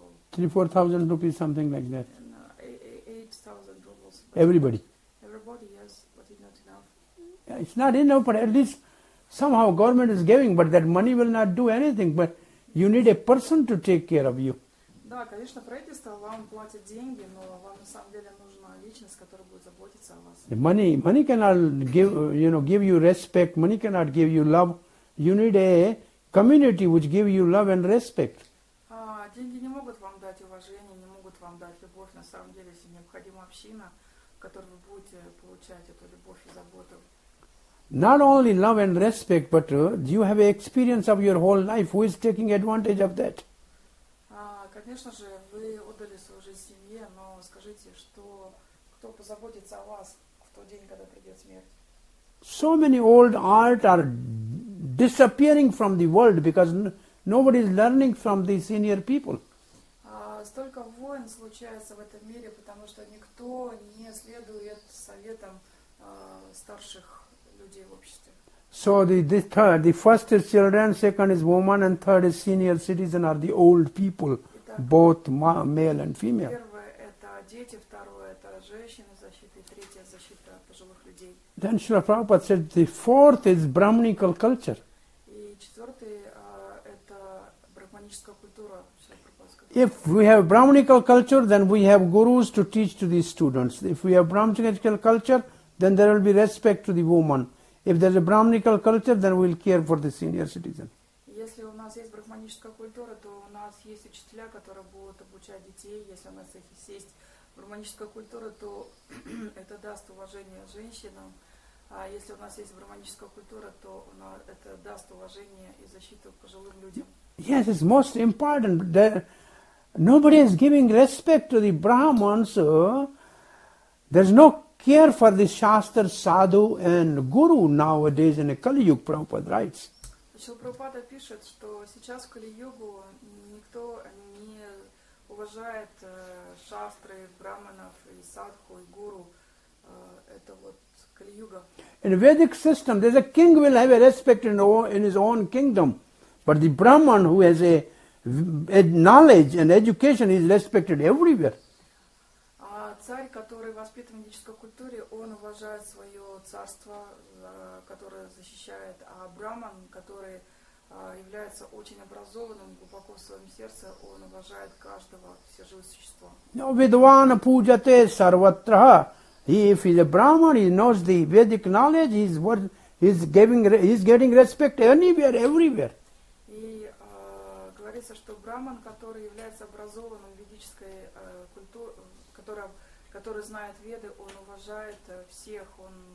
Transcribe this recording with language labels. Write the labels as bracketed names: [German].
[English] 3-4,000 rupees, something like that. 8,000 rubles. Everybody. Everybody, yes, but it's not enough. Yeah, it's not enough, but at least somehow government is giving, but that money will not do anything. But you need a person to take care of you. [Russian] Да, конечно, правительство вам платит деньги, но вам на самом деле нужна личность, которая будет заботиться о вас. [English] Money cannot give you respect. Money cannot give you love. You need a community which give you love and respect. [Russian] Деньги не могут вам дать уважение, не могут вам дать любовь. На самом деле, если необходима община, в которой вы будете получать эту любовь и заботу. [English] Not only love and respect, but you have an experience of your whole life. Who is taking advantage of that? [Russian] Конечно же, вы отдали свою жизнь семье, но скажите, что кто позаботится о вас в тот день, когда придет смерть? [English] So many old art are disappearing from the world because nobody is learning from the senior people. [Russian] Столько войн случается в этом мире, потому что никто не следует советам старших людей в обществе. [English] So the first is children, second is woman, and third is senior citizen are the old people. Both male and female. [Russian] Первое это дети, второе это женщины защиты, третье защита пожилых людей. [English] Then Srila Prabhupada said the fourth is Brahminical culture. [Russian] И четвертый это брахманическая культура. [English] If we have Brahminical culture, then we have gurus to teach to these students. If we have Brahminical culture, then there will be respect to the woman. If there's a Brahminical culture, then we'll care for the senior citizen. [Russian] Если у нас есть брахманическая культура, то у нас есть учителя, которые будут обучать детей. Если у нас есть брахманическая культура, то это даст уважение женщинам. А если у нас есть брахманическая культура, то это даст уважение и защиту пожилым людям. [English] Yes, it's most important. Nobody is giving respect to the Brahmins. There's no care for the Shastra, Sadhu and Guru nowadays in a Kali Yuga, Prabhupada writes. [Russian] Шрила Прабхупада пишет, что сейчас в Кали-Югу никто не уважает шастры, брахманов, и садху, и гуру. Это вот Кали-Юга. [English] In a Vedic system, there's a king will have a respect in his own kingdom. But the brahman who has a knowledge and education is respected everywhere. [Russian] А царь, который воспитан в ведической культуре, он уважает свое царство, которое защищает, а браман, который является очень образованным, глубоко в своем сердце, он уважает каждого все живое существо. [Sanskrit] No, vidvan pujate sarvatra. [English] If he's a brahman, he knows the Vedic knowledge, he's getting respect anywhere, everywhere. [Russian] И говорится, что браман, который является образованным ведической культурой, который знает Веды, он уважает всех, он